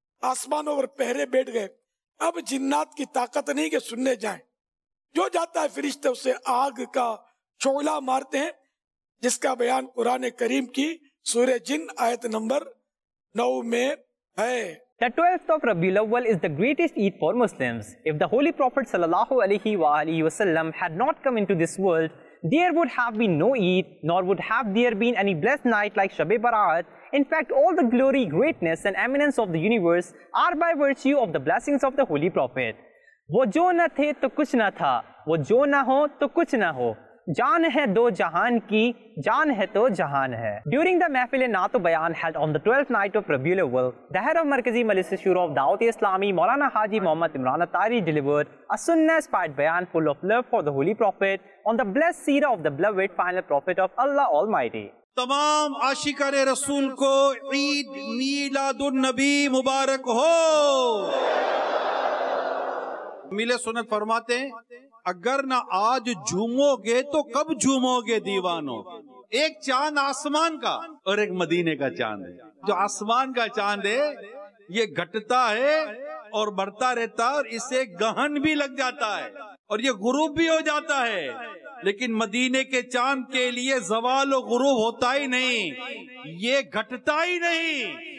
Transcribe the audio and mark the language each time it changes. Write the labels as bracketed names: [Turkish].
[Urdu] آسمانوں پر پہرے بیٹھ گئے. اب جنات کی طاقت نہیں کہ سننے جائیں. جو جاتا ہے فرشتے اسے آگ کا چولا مارتے ہیں جس کا بیان قرآن کریم کی سورہ جن آیت نمبر 9 میں ہے. [English] The 12th of Rabiul Awwal is the greatest Eid for Muslims. If the Holy Prophet sallallahu alaihi wa alihi wasallam had not come into this world, there would have been no Eid, nor would have there been any blessed night like Shab-e-Bara'at. In fact, all the glory, greatness and eminence of the universe are by virtue of the blessings of the Holy Prophet. [Urdu] وہ جو نہ تھے تو کچھ نہ تھا, وہ جو نہ ہو تو کچھ نہ ہو. جان ہے دو جہان کی, جان ہے تو جہان ہے. [English] During the Mahfil Naat o Bayan held on the 12th night of Rabiul Awwal, the head of Markazi Majlis-e Shura of Da'wat-e Islami, Maulana Haji Muhammad Imran Attari delivered a sunnah-inspired bayan full of love for the Holy Prophet on the blessed seerah of the beloved final prophet of Allah Almighty. [Urdu] تمام عاشقان رسول کو عید میلاد النبی مبارک ہو. میلے سنت فرماتے ہیں اگر نہ آج جھومو گے تو کب جھومو گے دیوانو. ایک چاند آسمان کا اور ایک مدینے کا چاند ہے. جو آسمان کا چاند ہے یہ گھٹتا ہے اور بڑھتا رہتا ہے اور اسے گہن بھی لگ جاتا ہے اور یہ غروب بھی ہو جاتا ہے, لیکن مدینے کے چاند کے لیے زوال و غروب ہوتا ہی نہیں, یہ گھٹتا ہی نہیں.